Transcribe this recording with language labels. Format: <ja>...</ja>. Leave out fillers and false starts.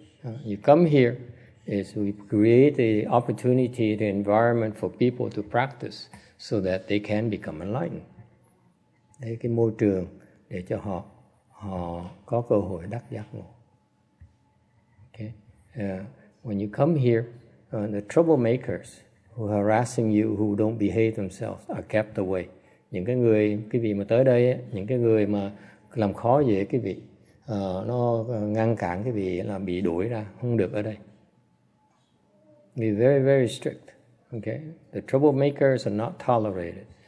<en>You come here, is we create the opportunity, the environment for people to practice so that they can become enlightened.</en> <vi>Đây cái môi trường để cho họ họ có cơ hội đắc giác ngộ.</vi> <en>Okay. When you come here, the troublemakers who are harassing you, who don't behave themselves, are kept away.</en> <vi>Những cái người quý vị mà tới đây, những cái người mà làm khó dễ quý vị, nó ngăn cản quý vị là bị đuổi ra, không được ở đây.</vi> <en>Be very very strict. Okay. The troublemakers are not tolerated.</en>